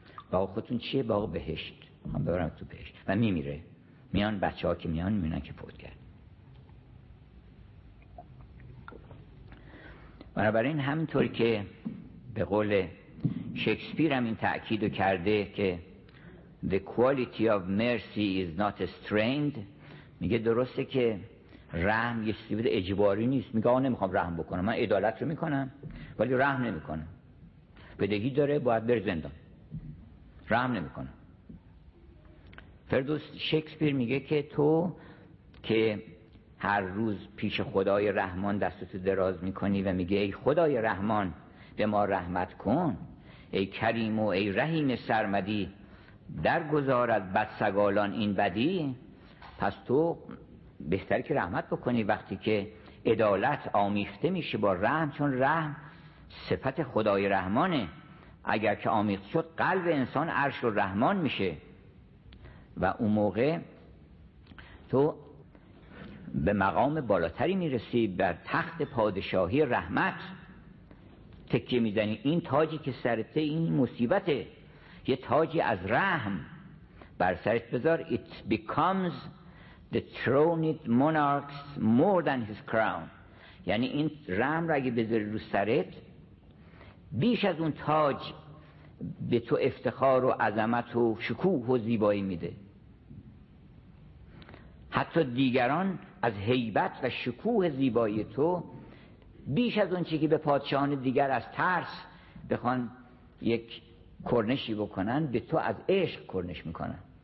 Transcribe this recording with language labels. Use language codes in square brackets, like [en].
[fa] باغ خودتون چیه؟ باغ بهشت، من ببرم تو بهشت. و میمیره، میان بچه ها که میان میبینن که فوت کرد. بنابراین همینطور که به قول شکسپیر هم این تأکیدو کرده که [en] The quality of mercy is not strained. [fa] میگه درسته که رحم یه چیزی بوده اجباری نیست. میگه آن نمیخوام رحم بکنم. من عدالت رو میکنم ولی رحم نمیکنم. بدهی داره باید بره زندان. رحم نمیکنم. فردوس شکسپیر میگه که تو که هر روز پیش خدای رحمان دستتو دراز میکنی و میگه ای خدای رحمان به ما رحمت کن، ای کریم و ای رحیم سرمدی، در گذارد بدسگالان این بدی، پس تو بهتر که رحمت بکنی وقتی که عدالت آمیخته میشه با رحم، چون رحم صفت خدای رحمانه. اگر که آمیخت شد قلب انسان عرش و رحمان میشه و اون موقع تو به مقام بالاتری میرسی، بر تخت پادشاهی رحمت تکیه میزنی. این تاجی که سرته این مصیبته، یه تاجی از رحم بر سرت بذار. [en] It becomes the throned monarch's more than his crown. [fa] یعنی این رحم را اگه بذاری رو سرت، بیش از اون تاج به تو افتخار و عظمت و شکوه و زیبایی میده. حتی دیگران از هیبت و شکوه زیبایی تو بیش از اون چی که به پادشاهان دیگر از ترس بخوان یک کرنشی بکنن، به تو از عشق کرنش میکنن.